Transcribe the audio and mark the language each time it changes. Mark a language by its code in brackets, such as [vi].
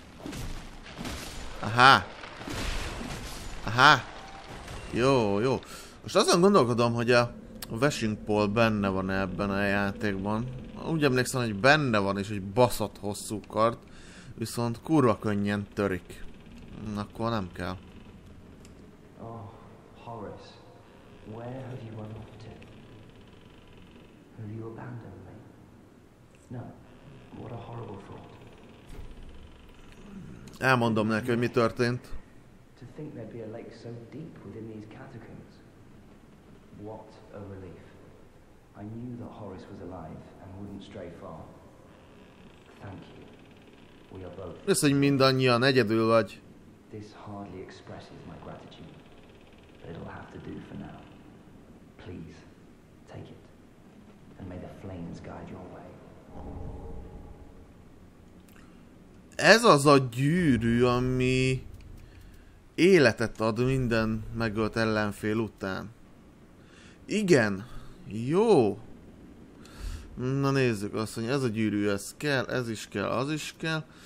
[hu] Okay. Aha. Aha. Jó, jó. Most azon gondolkodom, hogy a Wishing Pole benne van ebben a játékban. Úgy emlékszem, hogy benne van is egy baszott hosszú kard, viszont kurva könnyen törik. Akkor nem kell. [en] Oh, Horace, where have you run off to? Have you abandoned me? No, what a horrible thought. [hu] Elmondom neki, hogy mi történt. [en] To think there'd be a lake so deep within these catacombs. What a relief. I knew that Horace was alive and wouldn't stray far. Thank you. We are both. [hu] Ez egy mindannyian egyedül vagy. [en] This hardly expresses my gratitude. But it'll have to do for now. Please, take it. And may the flames guide your way. [hu] Ez az a gyűrű, ami életet ad minden megölt ellenfél után. Igen. Jó. Na nézzük azt, hogy ez a gyűrű, ez kell, ez is kell, az is kell.